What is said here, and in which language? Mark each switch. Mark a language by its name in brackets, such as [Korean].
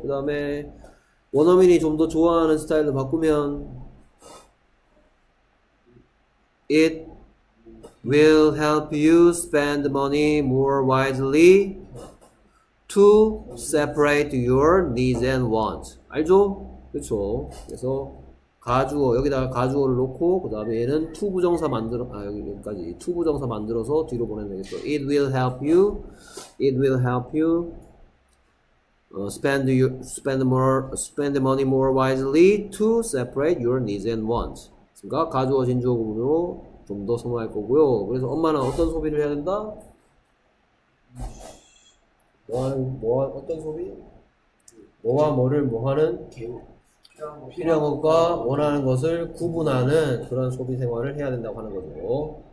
[Korean] 그 다음에 원어민이 좀 더 좋아하는 스타일로 바꾸면 [English] It will help you spend money more wisely to separate your needs and wants. [Korean] 알죠? 그렇죠. 그래서 가주어, 여기다가 가주어를 놓고, 그 다음에 얘는 to 부정사 만들어, 아, 여기까지. to 부정사 만들어서 뒤로 보내면 되겠어. [English] It will help you. It will help you. Spend you, spend more, spend money more wisely to separate your needs and wants. [Korean] 그니까, 가주어, 진주어 구분으로 좀 더 선호할 거고요. 그래서 엄마는 어떤 소비를 해야 된다? 어떤 소비? 뭐와 뭐를 뭐 하는? 필요한 것과 원하는 것을 구분하는 그런 소비 생활을 해야 된다고 하는 거죠.